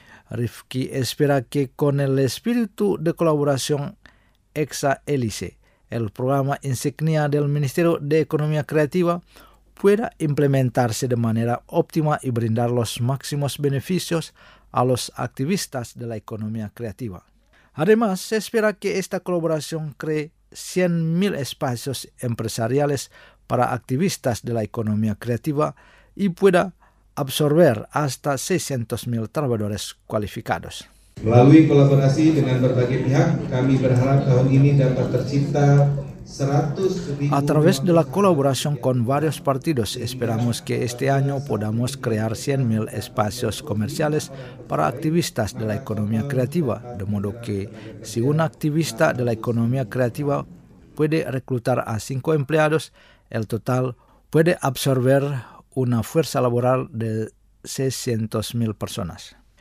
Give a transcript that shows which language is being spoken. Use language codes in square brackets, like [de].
[es] Rifki espera que con el espíritu de colaboración ex-hélice, el programa insignia del Ministerio de Economía Creativa pueda implementarse de manera óptima y brindar los máximos beneficios a los activistas de la economía creativa. Además, se espera que esta colaboración cree 100.000 espacios empresariales para activistas de la economía creativa y pueda absorber hasta 600.000 trabajadores cualificados. [id] Melalui kolaborasi dengan berbagai pihak, kami berharap tahun ini dapat tercipta 100.000. [es] A través de la colaboración con varios partidos, esperamos que este año podamos crear 100.000 espacios comerciales para activistas de la economía creativa, de modo que si un activista de la economía creativa puede reclutar a 5 empleados, el total puede absorber una fuerza laboral de 600.000 personas.